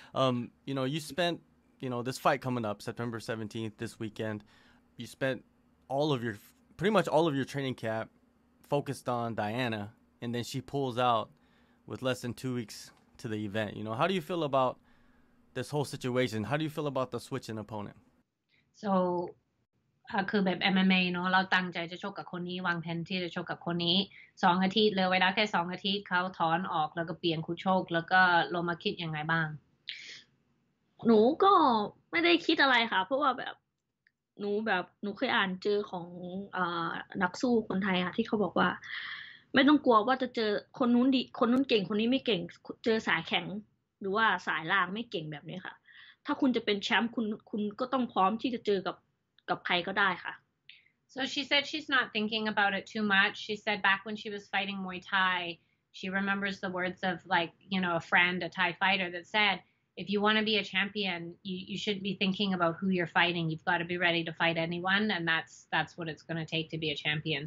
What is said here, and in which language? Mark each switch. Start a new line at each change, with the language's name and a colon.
English: You know, you spent, you know, this fight coming up September 17th this weekend, you spent pretty much all of your training camp focused on Diana, and then she pulls out with less than 2 weeks to the event. You know, how do you feel about this whole situation? How do you feel about the switch in opponent?
Thai: So, คือแบบ MMA เนาะเราตั้งใจจะชกกับคนนี้วางแผนที่จะชกกับคนนี้2 อาทิตย์เหลือเวลาแค่2 อาทิตย์เขาถอนออกแล้วก็เปลี่ยนคู่ชกแล้วก็ลงมาคิดยังไงบ้าง หนูก็ไม่ได้คิดอะไรค่ะเพราะว่าแบบหนูเคยอ่านเจอของนักสู้คนไทยอ่ะที่เขาบอกว่าไม่ต้องกลัวว่าจะเจอคนนู้นดีคนนู้นเก่งคนนี้ไม่เก่งเจอสายแข็งหรือว่าสายล่างไม่เก่งแบบนี้ค่ะถ้าคุณจะเป็นแชมป์คุณก็ต้องพร้อมที่จะเจอกับใครก็ได้ค่ะ
English: So she said she's not thinking about it too much. She said back when she was fighting Muay Thai, she remembers the words of like, you know, a friend, a Thai fighter that said, if you want to be a champion, you shouldn't be thinking about who you're fighting. You've got to be ready to fight anyone, and that's what it's going to take to be a champion.